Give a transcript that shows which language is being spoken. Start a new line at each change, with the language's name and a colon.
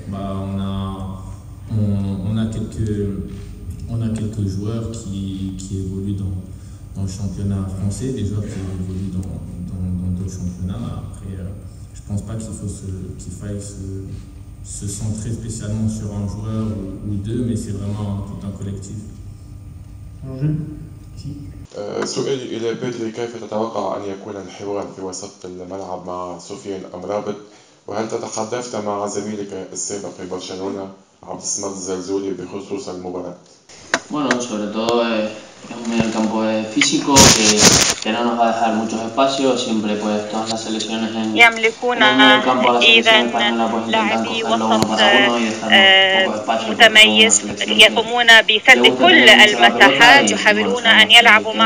French: Bah, on a quelques joueurs qui évoluent dans le championnat français, des joueurs qui évoluent dans d'autres championnats. Après, je pense pas qu'il faille se centrer spécialement sur un joueur ou deux, mais c'est vraiment tout un collectif.
Arabic: سؤال إلى بيدري، كيف تتوقع أن يكون الحوار في وسط الملعب مع سفيان أمرابط؟ وهل تتحدثت مع زميلك السابق في برشلونة عبد الصمد الزلزولي بخصوص المباراة؟
Spanish: Bueno, sobre todo es un medio campo físico que no nos va a dejar muchos espacios. Siempre pues todas las selecciones en el medio campo, la selección española, pues intentan cogerlo uno para uno y dejarnos un poco de espacio.